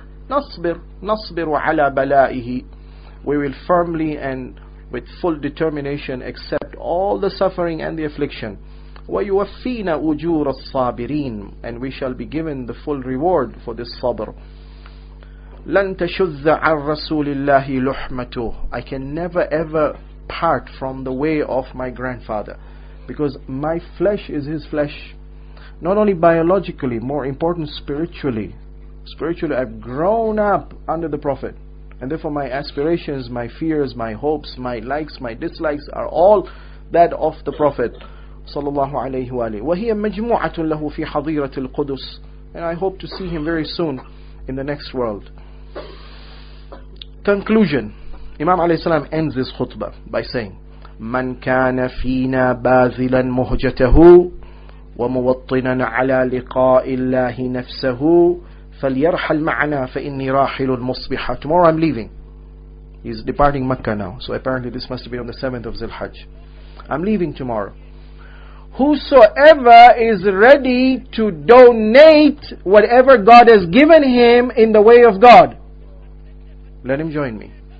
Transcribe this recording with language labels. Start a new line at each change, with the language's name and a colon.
Arabic: نصبر على بلائه.
English: We will firmly and with full determination accept all the suffering and the affliction.
Arabic: ويوفينا أجور الصابرين.
English: And we shall be given the full reward for this sabr.
Arabic: لن تشذ عن رسول الله لحمته.
English: I can never ever part from the way of my grandfather, because my flesh is his flesh. Not only biologically, more important spiritually. Spiritually, I've grown up under the Prophet, and therefore my aspirations, my fears, my hopes, my likes, my dislikes are all that of the Prophet sallallahu alayhi wa alayhi.
Arabic: وَهِيَ مَجْمُوعَةٌ لَهُ فِي حَضِيرَةِ الْقُدُسِ.
English: And I hope to see him very soon in the next world. Conclusion. Imam alayhi salam ends this khutbah by saying,
Arabic: مَنْ كَانَ فِينَا بَاذِلًا مُهْجَتَهُ وَمُوَطِّنًا عَلَى لِقَاءِ اللَّهِ نَفْسَهُ فَلْيَرْحَلْ مَعْنَا فَإِنِّي رَاحِلُ الْمُصْبِحَةِ.
English: Tomorrow I'm leaving. He's departing Mecca now. So apparently this must be on the 7th of Zilhajj. I'm leaving tomorrow. Whosoever is ready to donate whatever God has given him in the way of God, let him join me.